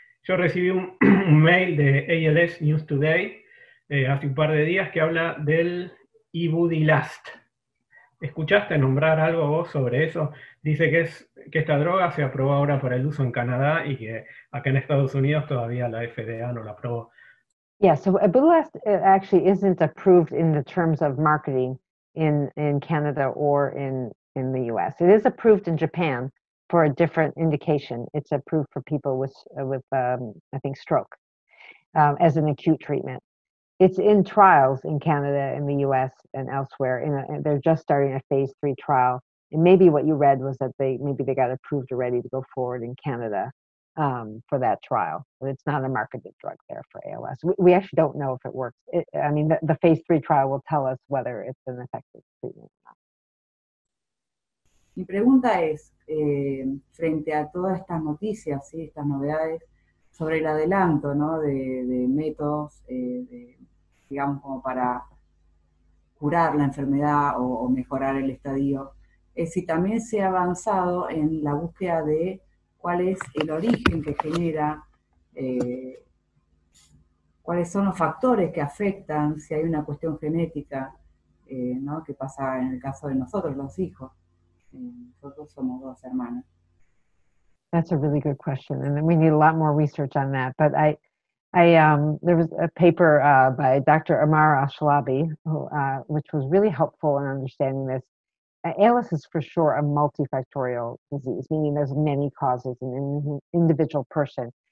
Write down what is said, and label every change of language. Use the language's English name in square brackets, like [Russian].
[Spanish] Yo recibí un mail de ALS News Today hace un par de días que habla del Ibudilast. ¿Escuchaste nombrar algo vos sobre eso? Dice que es que esta droga se aprobó ahora para el uso en Canadá y que acá en Estados Unidos todavía la FDA no la aprobó. [English] Yeah, so Ibudilast actually isn't approved in the terms of marketing in Canada or in the US. It is approved in Japan for a different indication. It's approved for people with I think stroke as an acute treatment. It's in trials in Canada, in the US, and elsewhere. And they're just starting a phase 3 trial. And maybe what you read was that they got approved already to go forward in Canada for that trial. But it's not a marketed drug there for ALS. We actually don't know if it works. The phase 3 trial will tell us whether it's an effective treatment or not. [Spanish] Mi pregunta es, frente a todas estas noticias, ¿sí? Estas novedades, sobre el adelanto, ¿no? de métodos, de, digamos, como para curar la enfermedad o mejorar el estadio, es si también se ha avanzado en la búsqueda de cuál es el origen que genera, cuáles son los factores que afectan, si hay una cuestión genética, ¿no? Que pasa en el caso de nosotros, los hijos. Nosotros somos dos hermanas. [English] That's a really good question, and we need a lot more research on that. But there was a paper by Dr. Amar Ashlabi, which was really helpful in understanding this. ALS is for sure a multifactorial disease, meaning there's many causes in an individual person.